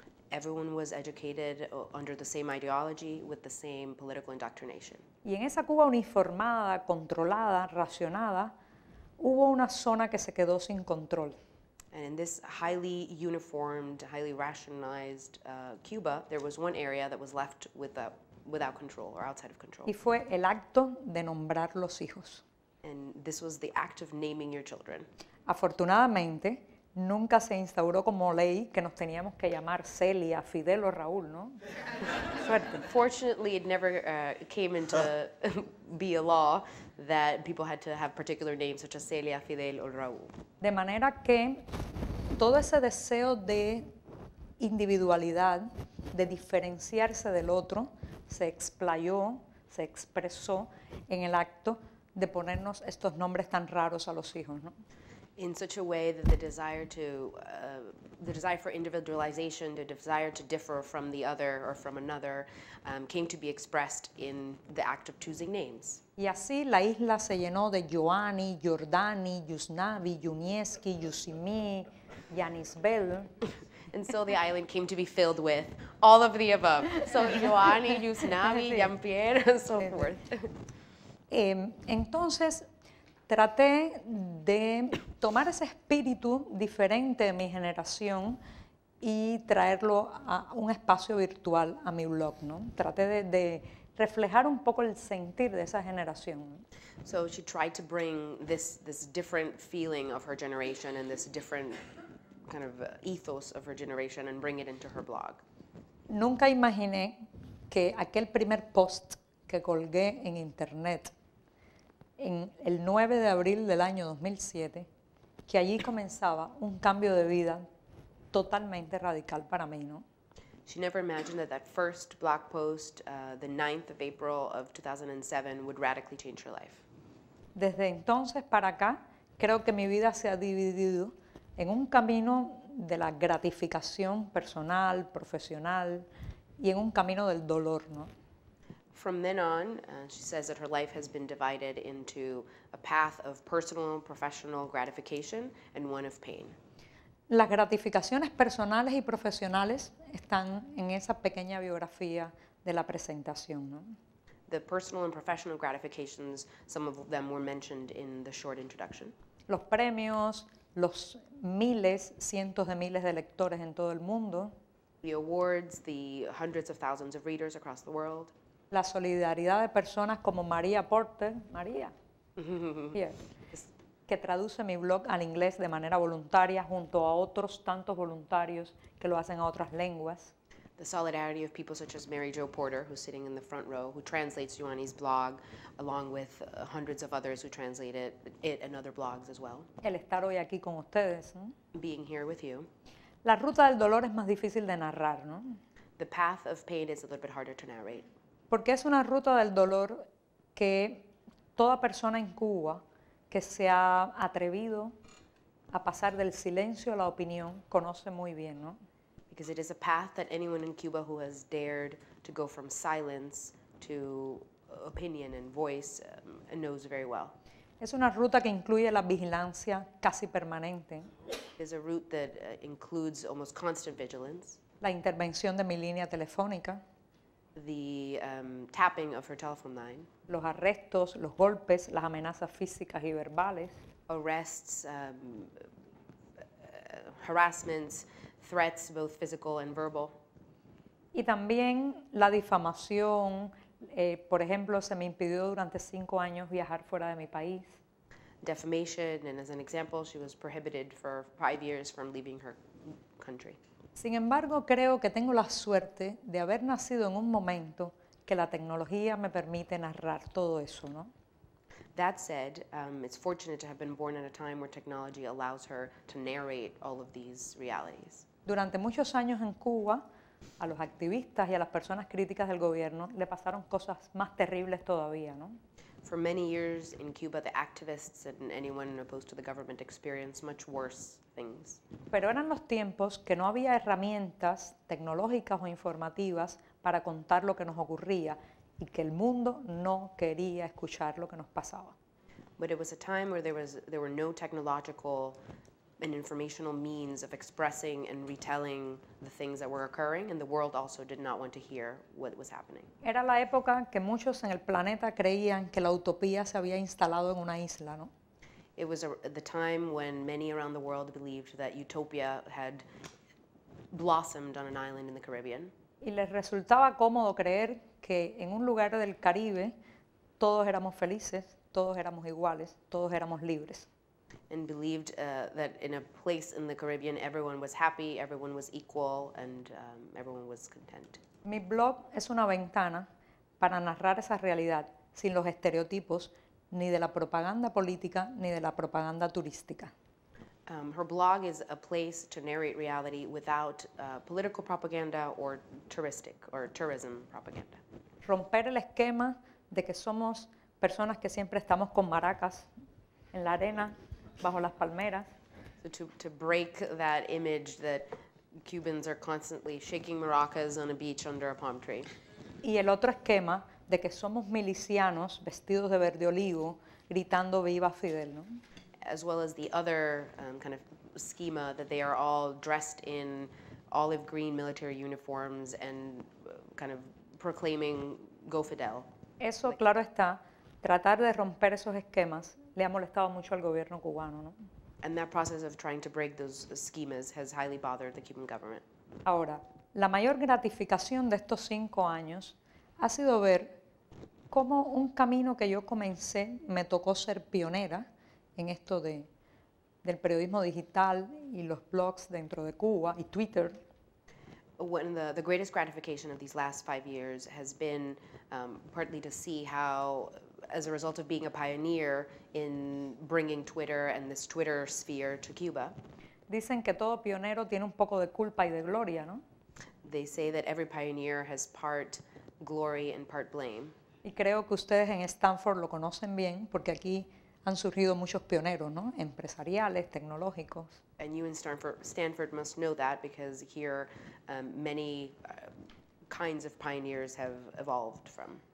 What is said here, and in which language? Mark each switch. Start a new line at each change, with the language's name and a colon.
English: Everyone was educated under the same ideology with the same political indoctrination.
Spanish: Y en esa Cuba uniformada, controlada, racionada, hubo una zona que se quedó sin control.
English: And in this highly uniformed, highly rationalized Cuba, there was one area that was left without control or outside of control.
Spanish: Y fue el acto de nombrar los hijos.
English: And this was the act of naming your children.
Spanish: Afortunadamente, nunca se instauró como ley que nos teníamos que llamar Celia, Fidel o Raúl, ¿no?
English: Fortunately, it never came into be a law that people had to have particular names such as Celia, Fidel o Raúl.
Spanish: De manera que todo ese deseo de individualidad, de diferenciarse del otro, se explayó, se expresó en el acto de ponernos estos nombres tan raros a los hijos, ¿no?
English: In such a way that the desire for individualization, the desire to differ from the other or from another, came to be expressed in the act of choosing names.
Spanish: Y así la isla se llenó de Giovanni, Giordani, Yusnavi, Yunieski, Yusimi, Yanisbel.
English: And so the island came to be filled with all of the above. So Giovanni, Yusnavi, Jean-Pierre, and so forth.
Spanish: Entonces, traté de tomar ese espíritu diferente de mi generación y traerlo a un espacio virtual, a mi blog, ¿no? Traté de reflejar un poco el sentir de esa generación.
English: So she tried to bring this different feeling of her generation and this different kind of ethos of her generation and bring it into her blog.
Spanish: Nunca imaginé que aquel primer post que colgué en internet en el 9 de abril del año 2007, que allí comenzaba un cambio de vida totalmente radical para mí, ¿no?
English: She never imagined that first blog post, the 9th of April of 2007, would radically change her life.
Spanish: Desde entonces para acá, creo que mi vida se ha dividido en un camino de la gratificación personal, profesional, y en un camino del dolor, ¿no?
English: From then on, she says that her life has been divided into a path of personal, professional gratification and one of pain.
Spanish: Las gratificaciones personales y profesionales están en esa pequeña biografía de la presentación, ¿no?
English: The personal and professional gratifications, some of them were mentioned in the short introduction.
Spanish: Los premios, los miles, cientos de miles de lectores en todo el mundo.
English: The awards, the hundreds of thousands of readers across the world.
Spanish: La solidaridad de personas como María Porter, María, que traduce mi blog al inglés de manera voluntaria junto a otros tantos voluntarios que lo hacen a otras lenguas.
English: The solidarity of people such as Mary Jo Porter, who's sitting in the front row, who translates Giovanni's blog along with hundreds of others who translate it and other blogs as well.
Spanish: El estar hoy aquí con ustedes.
English: Being here with you.
Spanish: La ruta del dolor es más difícil de narrar, ¿no?
English: The path of pain is a little bit harder to narrate.
Spanish: Porque es una ruta del dolor que toda persona en Cuba que se ha atrevido a pasar del silencio a la opinión conoce muy bien, ¿no?
English: Because it is a path that anyone in Cuba who has dared to go from silence to opinion and voice knows very well.
Spanish: Es una ruta que incluye la vigilancia casi permanente.
English: It is a route that includes almost constant vigilance.
Spanish: La intervención de mi línea telefónica.
English: the tapping of her telephone line.
Spanish: Los arrestos, los golpes, las amenazas físicas y verbales.
English: Arrests, harassments, threats, both physical and verbal.
Spanish: Y también la difamación. Por ejemplo, se me impidió durante 5 años viajar fuera de mi país.
English: Defamation, and as an example, she was prohibited for 5 years from leaving her country.
Spanish: Sin embargo, creo que tengo la suerte de haber nacido en un momento que la tecnología me permite narrar todo eso, ¿no?
English: That said, it's fortunate to have been born at a time where technology allows her to narrate all of these realities.
Spanish: Durante muchos años en Cuba, a los activistas y a las personas críticas del gobierno le pasaron cosas más terribles todavía, ¿no?
English: For many years in Cuba, the activists and anyone opposed to the government experienced much worse things.
Spanish: Pero eran los tiempos que no había herramientas tecnológicas o informativas para contar lo que nos ocurría y que el mundo no quería escuchar lo que nos pasaba.
English: But it was a time where there were no technological an informational means of expressing and retelling the things that were occurring, and the world also did not want to hear what was happening.
Spanish: Era la época que muchos en el planeta creían que la utopía se había instalado en una isla, ¿no?
English: It was the time when many around the world believed that utopia had blossomed on an island in the Caribbean.
Spanish: Y les resultaba cómodo creer que en un lugar del Caribe todos éramos felices, todos éramos iguales, todos éramos libres.
English: And believed that in a place in the Caribbean, everyone was happy, everyone was equal, and everyone was content.
Spanish: Mi blog es una ventana para narrar esa realidad sin los estereotipos ni de la propaganda política ni de la propaganda turística.
English: Her blog is a place to narrate reality without political propaganda or touristic or tourism propaganda.
Spanish: Romper el esquema de que somos personas que siempre estamos con maracas en la arena. Bajo las palmeras.
English: So to break that image that Cubans are constantly shaking maracas on a beach under a palm tree.
Spanish: Y el otro esquema de que somos milicianos vestidos de verde olivo gritando viva Fidel, ¿no?
English: As well as the other kind of schema that they are all dressed in olive green military uniforms and kind of proclaiming go Fidel.
Spanish: Eso, claro está, tratar de romper esos esquemas le ha molestado mucho al gobierno cubano, ¿no?
English: And that process of trying to break those schemas has highly bothered the Cuban government.
Spanish: Ahora, la mayor gratificación de estos 5 años ha sido ver cómo un camino que yo comencé me tocó ser pionera en esto del periodismo digital y los blogs dentro de Cuba y Twitter.
English: When the greatest gratification of these last 5 years has been partly to see how as a result of being a pioneer in bringing Twitter and this Twitter sphere to Cuba.
Spanish: Dicen que todo pionero tiene un poco de culpa y de gloria, ¿no?
English: They say that every pioneer has part glory and part blame.
Spanish: Y creo que ustedes en Stanford lo conocen bien porque aquí han surgido muchos pioneros, ¿no? Empresariales, tecnológicos.
English: And you in Stanford must know that because here many kinds of pioneers have evolved from.